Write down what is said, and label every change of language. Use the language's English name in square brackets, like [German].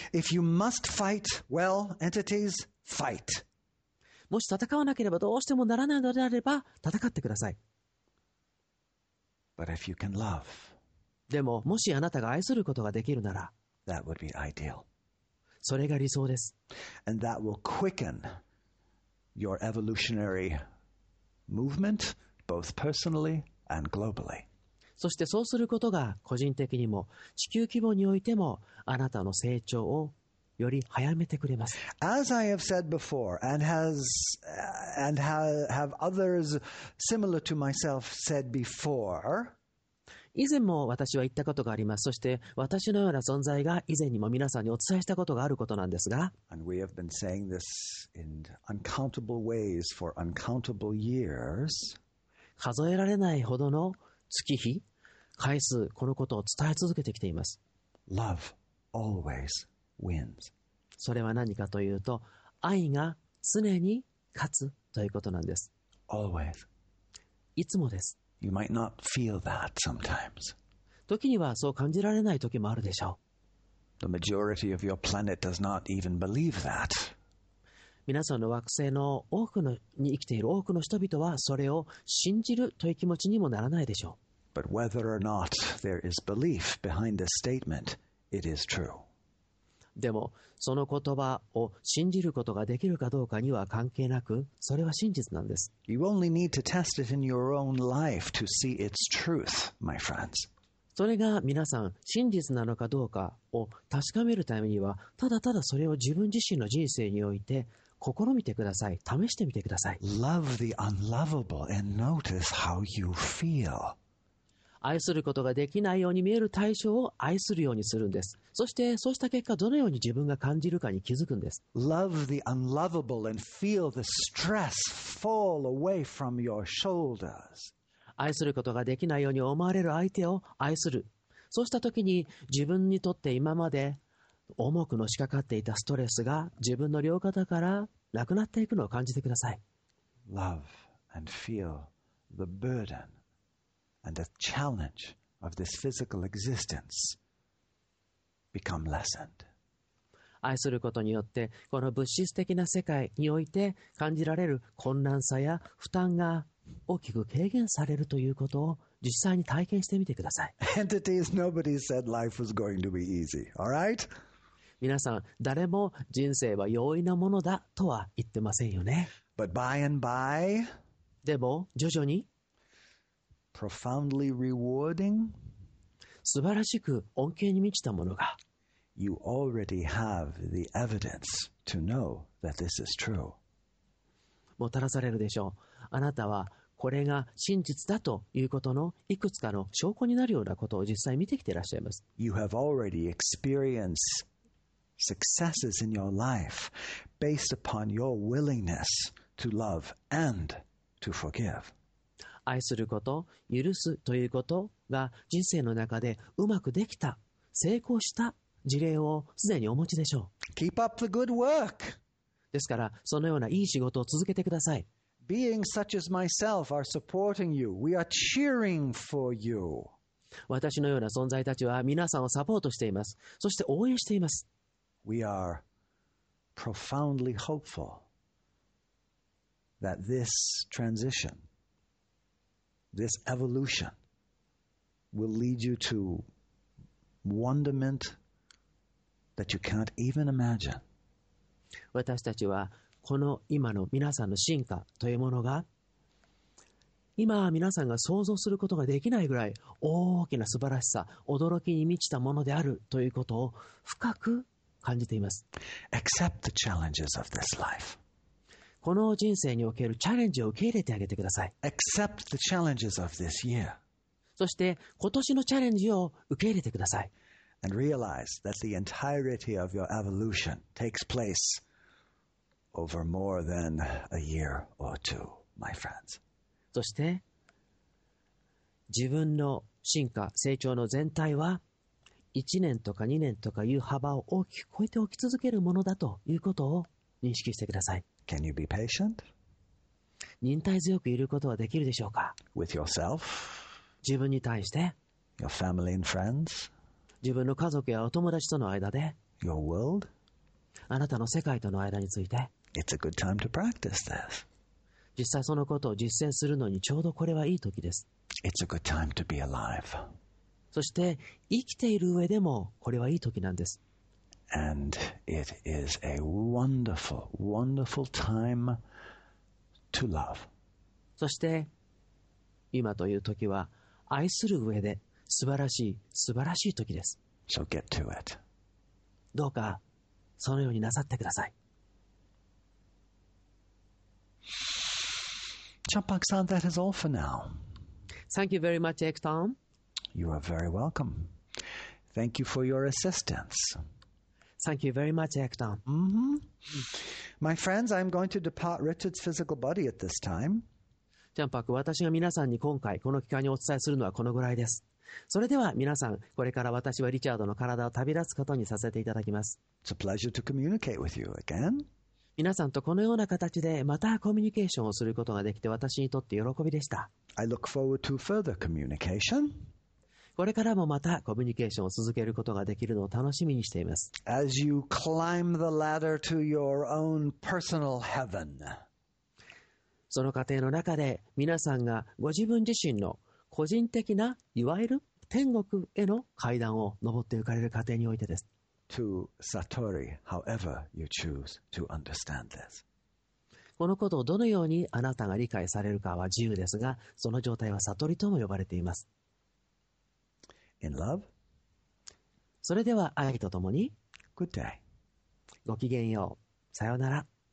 [English] If you must fight, well, entities, fight. [Japanese] もし戦わなければどうしてもならないのであれば、戦ってください。 [English] But if you can love, [Japanese] でも、もしあなたが愛することができるなら、 [English] that would be ideal. [Japanese] それが理想です。 [English] And that will quicken your evolutionary movement, both personally and globally. [Japanese] そしてそうすることが個人的にも地球規模においてもあなたの成長をより早めてくれます。 [English] As I have said before, and have others similar to myself said before, [Japanese] 以前も私は言ったことがあります。そして私のような存在が以前にも皆さんにお伝えしたことがあることなんですが、 [English] And we have been saying this in uncountable ways for uncountable years. [Japanese] 数えられないほどの月日、回数、このことを伝え続けてきています。 [English] Love always wins. [Japanese] それは何かというと、愛が常に勝つということなんです。 [English] Always. [Japanese] いつもです。 [English] You might not feel that sometimes. [Japanese] 時にはそう感じられない時もあるでしょう。 [English] The majority of your planet does not even believe that. [Japanese] 皆さんの惑星の多くのに生きている多くの人々はそれを信じるという気持ちにもならないでしょう。 [English] But whether or not there is belief behind the statement, it is true. [Japanese] でもその言葉を信じることができるかどうかには関係なく、それは真実なんです。 [English] You only need to test it in your own life to see its truth, my friends. [Japanese] それが皆さん真実なのかどうかを確かめるためには、ただただそれを自分自身の人生において試みてください。試してみてください。 [English] Love the unlovable and notice how you feel. [Japanese] 愛することができないように見える対象を愛するようにするんです。そして、そうした結果、どのように自分が感じるかに気づくんです。 [English] Love the unlovable and feel the stress fall away from your shoulders. [Japanese] 愛することができないように思われる相手を愛する。そうした時に、自分にとって今まで重くのしかかっていたストレスが自分の両肩からなくなっていくのを感じてください。 [English] Love and feel the burden. And the challenge of this physical existence become lessened. [Japanese] 愛することによってこの物質的な世界において感じられる困難さや負担が大きく軽減されるということを実際に体験してみてください。 [English] Entities, nobody said life was going to be easy. All right? [Japanese] 皆さん誰も人生は容易なものだとは言ってませんよね。 [English] But by and by, [Japanese] でも徐々に。 [English] Profoundly rewarding. [Japanese] 素晴らしく恩恵に満ちたものが。 [English] You already have the evidence to know that this is true. [Japanese] もたらされるでしょう。あなたはこれが真実だということのいくつかの証拠になるようなことを実際見てきていらっしゃいます。 [English] You have already experienced successes in your life based upon your willingness to love and to forgive. [Japanese] 愛すること、許すということが人生の中でうまくできた、成功した事例をすでにお持ちでしょう。 [English] Keep up the good work. [Japanese] ですからそのようないい仕事を続けてください。 [English] Beings such as myself are supporting you. We are cheering for you. [Japanese] 私のような存在たちは皆さんをサポートしています。そして応援しています。 [English] We are profoundly hopeful that this transition, this evolution will lead you to wonderment that you can't even imagine. [Japanese] 私たちはこの今の皆さんの進化というものが今は皆さんが想像することができないぐらい大きな素晴らしさ、驚きに満ちたものであるということを深く感じています。 [English] Accept the challenges of this life. [Japanese] この人生におけるチャレンジを受け入れてあげてください。 [English] Accept the challenges of this year. [Japanese] そして今年のチャレンジを受け入れてください。 [English] And realize that the entirety of your evolution takes place over more than a year or two, my friends. [Japanese] そして自分の進化成長の全体は1年とか2年とかいう幅を大きく超えておき続けるものだということを認識してください。 [English] Can you be patient? [Japanese] 忍耐強くいることはできるでしょうか。 [English] With yourself? [Japanese] 自分に対して。 [English] Your family and friends? [Japanese] 自分の家族やお友達との間で。 [English] Your world? [Japanese] あなたの世界との間について。 [English] It's a good time to practice this. [Japanese] 実際そのことを実践するのにちょうどこれはいい時です。 [English] It's a good time to be alive. [Japanese] そして生きている上でもこれはいい時なんです。 [English] And it is a wonderful, wonderful time to love. [Japanese] そして今という時は愛する上で素晴らしい素晴らしい時です。 [English] So get to it. [Japanese] どうかそのようになさってください。 [English] Champak-san, that is all for now. Thank you very much, Ek-tom. You are very welcome. Thank you for your assistance. Thank you very much, Ek-tom. Mm-hmm. My friends, I'm going to depart Richard's physical body at this time. [Japanese] Champak, 私が皆さんに今回この機会にお伝えするのはこのぐらいです。それでは皆さん、これから私はリチャードの体を旅立つことにさせていただきます。 [English] It's a pleasure to communicate with you again. [Japanese] 皆さんとこのような形でまたコミュニケーションをすることができて私にとって喜びでした。 [English] I look forward to further communication. [Japanese] これからもまたコミュニケーションを続けることができるのを楽しみにしています。 [English] As you climb the ladder to your own personal heaven. [Japanese] その過程の中で皆さんがご自分自身の個人的ないわゆる天国への階段を上って行かれる過程においてです。 [English] To Satori, however you choose to understand this. [Japanese] このことをどのようにあなたが理解されるかは自由ですが、その状態は悟りとも呼ばれています。 [English] In love. [Japanese] それでは愛とともに。 [English] Good day. [Japanese] ごきげんよう。さようなら。